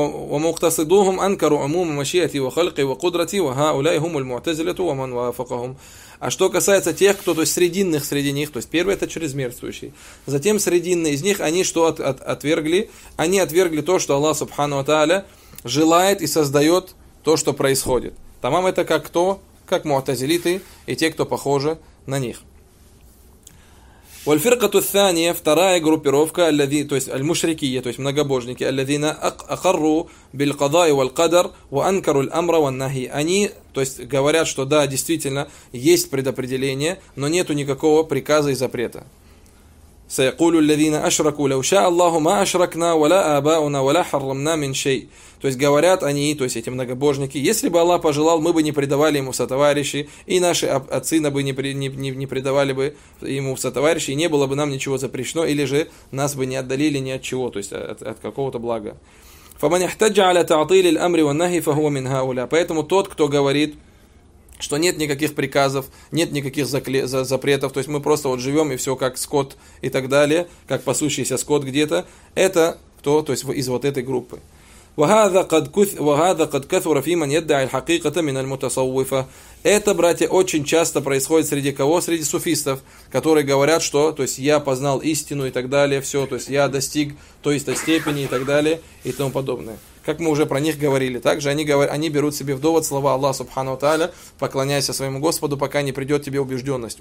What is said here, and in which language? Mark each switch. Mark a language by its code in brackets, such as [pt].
[ar] ومقتصدهم أنكروا عموم مشيئتي وخلقي وقدرتي وهؤلاء هم المعتزلة ومن وافقهم. [ru] А что касается тех, кто, то есть срединных среди них, то есть первый это чрезмерствующий, затем срединные из них, они что отвергли? Они отвергли то, что Аллах Субхану ва Тааля желает и создает то, что происходит. Тамам это как кто? Как муатазилиты и те, кто похожи на них. [ar] والفرقة الثانية [ru] вторая группировка [ar] الذين [ru] то есть [ar] المشركية [ru] то есть многобожники [ar] الذين أقروا بالقضاء والقدر وأنكروا الأمر والنهي. [ru] Они то есть говорят, что да, действительно есть предопределение, но нету никакого приказа и запрета. [ar] سيقول الذين أشركوا لو شاء الله ما أشركنا ولا آباؤنا ولا حرمنا من شيء. [ru] То есть говорят они, то есть эти многобожники, если бы Аллах пожелал, мы бы не предавали ему сотоварищи, и наши отцы бы не предавали бы ему сотоварищи, и не было бы нам ничего запрещено, или же нас бы не отдалили ни от чего, то есть от какого-то блага. [ar] فَمَنْ يَحْتَجَ عَلَى تَعْطِيلِ الْأَمْرِ وَالنَّهِ فَهُوَ مِنْ هَؤُلَاءِ. [ru] Поэтому тот, кто говорит, что нет никаких приказов, нет никаких запретов, то есть мы просто вот живем и все как скот и так далее, как пасущийся скот где-то, это кто, то есть из вот этой группы. [ar] وهذا قد كثر في من يدعي الحقيقة من المتصوفة. [ru] Это, братья, очень часто происходит среди кого? Среди суфистов, которые говорят, что, то есть, я познал истину и так далее, все, то есть, я достиг той-то степени и так далее и тому подобное. Как мы уже про них говорили, также они берут себе в довод слова Аллаха Субхану Тааля, поклоняйся своему Господу, пока не придет тебе убежденность.